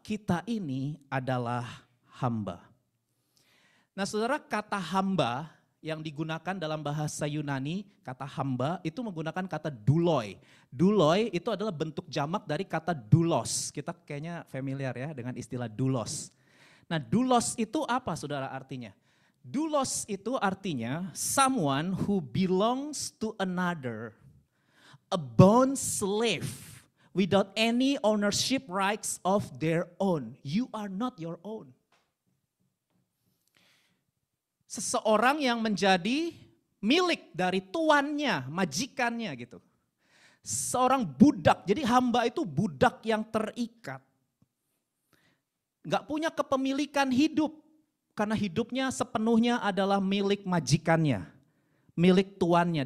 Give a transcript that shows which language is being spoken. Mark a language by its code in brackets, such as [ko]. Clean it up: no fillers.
[id] Kita ini adalah hamba. Nah, saudara, kata hamba yang digunakan dalam bahasa Yunani, kata hamba itu menggunakan kata duloi. Duloi itu adalah bentuk jamak dari kata dulos. Kita kayaknya familiar ya dengan istilah dulos. Nah, dulos itu apa, saudara, artinya? Dulos itu artinya [en] someone who belongs to another, a bond slave without any ownership rights of their own. You are not your own. [id] Seseorang yang menjadi milik dari tuannya, majikannya gitu. Seorang budak, jadi hamba itu budak yang terikat. Gak punya kepemilikan hidup, karena hidupnya sepenuhnya adalah milik majikannya, milik tuannya.